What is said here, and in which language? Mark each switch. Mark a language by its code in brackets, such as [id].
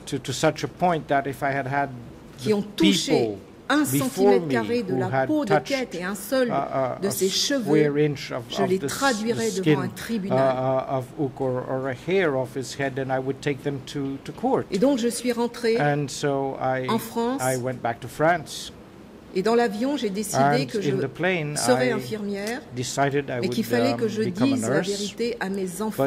[en] to such a point that if I had had [fr] qui ont touché un centimètre carré de la peau de Kate et un seul de ses cheveux, je les traduirais devant un tribunal. [en] Or a hair off his head, and I would take them to court. [fr] Et donc je suis rentrée en France. [en] I went back to France. [fr] Et dans l'avion, j'ai décidé que je serais infirmière, [en] decided [fr] mais qu'il fallait que je dise la vérité à mes enfants,